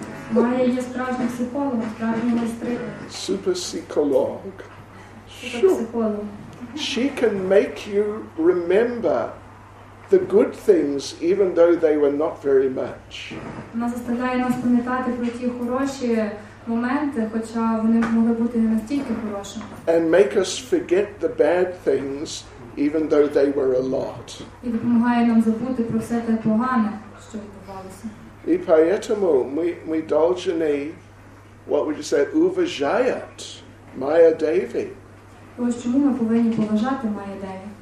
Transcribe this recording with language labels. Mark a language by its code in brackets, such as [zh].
[uk] Майя є справжній психолог, справжній майстрик. Суперпсихолог. Суперпсихолог. [en] She can make you remember the good things, even though they were not very much. [uk] Вона заставляє нас пам'ятати про ті хороші моменти, хоча вони могли бути не настільки хороші. [en] And make us forget the bad things, even though they were a lot. [uk] І допомагає нам забути про все те погане, що відбувалося. [ru] І поэтому ми должны, [en] what would you say, [ru] уважает Майя Деви. [uk] Ось чому ми повинні поважати Майя Деви.